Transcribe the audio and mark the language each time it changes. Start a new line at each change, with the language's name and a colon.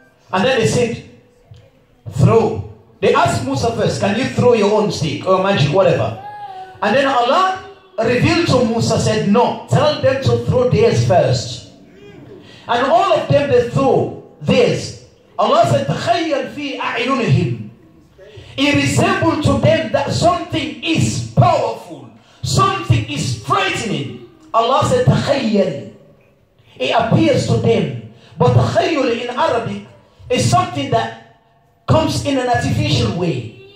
English: And then they said, throw. They asked Musa first, can you throw your own stick or magic, whatever? And then Allah revealed to Musa, said, no, tell them to throw theirs first. And all of them, they throw theirs.
Arabic: Allah said, تَخَيَّلْ فِي أَعْيُنِهِمْ.
English: It resembled to them that something is powerful. Something is frightening. Allah said, تَخَيَّلْ. It appears to them. But تَخَيُّلْ in Arabic is something that comes in an artificial way.